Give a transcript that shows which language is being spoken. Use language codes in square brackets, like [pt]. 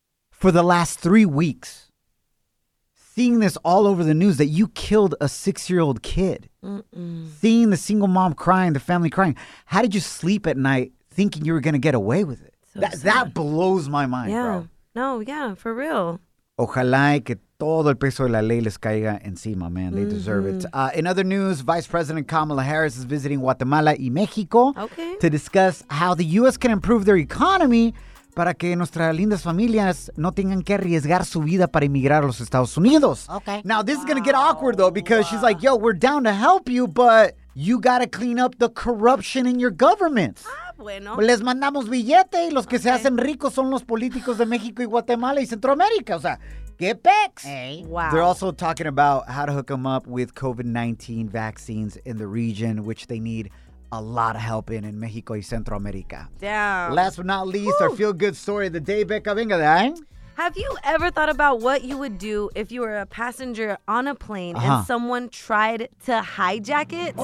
[en] For the last 3 weeks, seeing this all over the news that you killed a six-year-old kid, seeing the single mom crying, the family crying, how did you sleep at night thinking you were going to get away with it? So that blows my mind, yeah. Bro. No, yeah, for real. [es] Ojalá que todo el peso de la ley les caiga encima, man. [en] They deserve it. In other news, Vice President Kamala Harris is visiting Guatemala y México to discuss how the U.S. can improve their economy [es] para que nuestras lindas familias no tengan que arriesgar su vida para emigrar a los Estados Unidos. [en] Okay. Now, this is going to get awkward, though, because she's like, yo, we're down to help you, but you got to clean up the corruption in your government. [es] Bueno. Les mandamos billete y los que se hacen ricos son los políticos de México y Guatemala y Centroamérica. O sea, ¿qué pex? [en] Hey. Wow. They're also talking about how to hook them up with COVID-19 vaccines in the region, which they need a lot of help in México y Centroamérica. Damn. Last but not least, our feel-good story of the day, Becca. [es] Venga de ahí. [en] Have you ever thought about what you would do if you were a passenger on a plane and someone tried to hijack it?